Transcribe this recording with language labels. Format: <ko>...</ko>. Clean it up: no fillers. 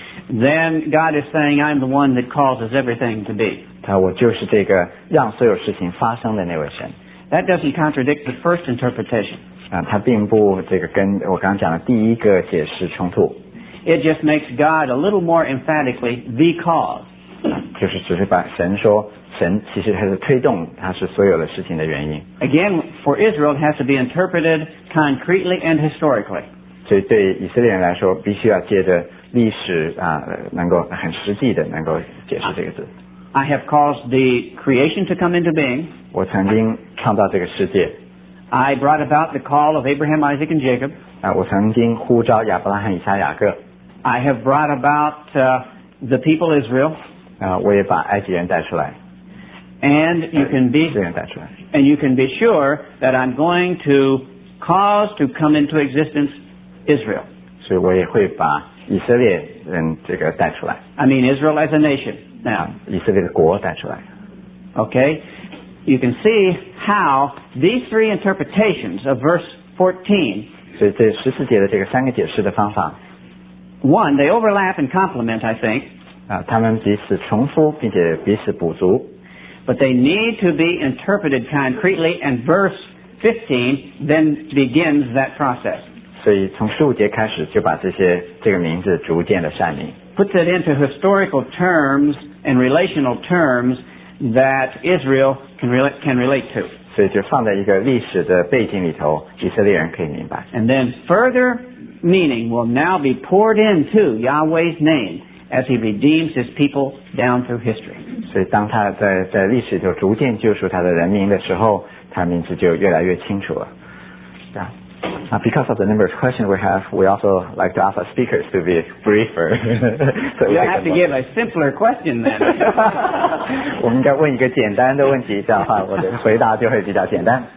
<en>Then God is saying, "I'm the one that causes everything to be."</en> <zh>他我就是这个让所有事情发生的那位神。</zh> <en>That doesn't contradict the first interpretation.</en> <zh>他并不这个跟我刚刚讲的第一个解释冲突。</zh> <en>It just makes God a little more emphatically the cause.</en> <zh>就是只是把神说神其实还是推动他是所有的事情的原因。</zh> <en>Again, for Israel, it has to be interpreted concretely and historically.</en> <zh>所以对以色列人来说，必须要借着历史啊，能够很实际的能够解释这个字。</zh> <en>I have caused the creation to come into being.</en> <zh>我曾经创造这个世界。</zh> <en>I brought about the call of Abraham, Isaac, and Jacob.</en> <zh>我曾经呼召亚伯拉罕、以撒、雅各。</zh> <en>I have brought about the people Israel.</en> <zh>我也把埃及人带出来。</zh> <en>And you can be</en> <zh>这样带出来。</zh> <en>And you can be sure that I'm going to cause to come into existence Israel.</en> <zh>所以我也会把以色列人这个带出来。</zh> <en>I mean Israel as a nation. Now</en> <zh>以色列的国带出来。</zh> <en>Okay. You can see how these three interpretations of verse 14.</en> <zh>所以这十四节的这个三个解释的方法。</zh> <en>One, they overlap and complement, I think.</en> <zh>他们彼此重复并且彼此补足。</zh> <en>But they need to be interpreted concretely, and verse 15 then begins that process.</en> <zh>所以从十五节开始就把这些这个名字逐渐的阐明。</zh> <en>Puts it into historical terms and relational terms. That Israel can relate to.</en> <zh>所以就放在一个历史的背景里头，以色列人可以明白。</zh> <en>And then further meaning will now be poured into Yahweh's name as He redeems His people down through history.</en> <zh>所以当他在历史里头逐渐救赎他的人民的时候，他名字就越来越清楚了。</zh> <en>Yeah. Now, because of the number of questions we have, we also like to ask our speakers to be briefer. So you have to give a simpler question then.</en> <zh>我应该问一个简单的问题，这样的话我的回答就会比较简单。</zh>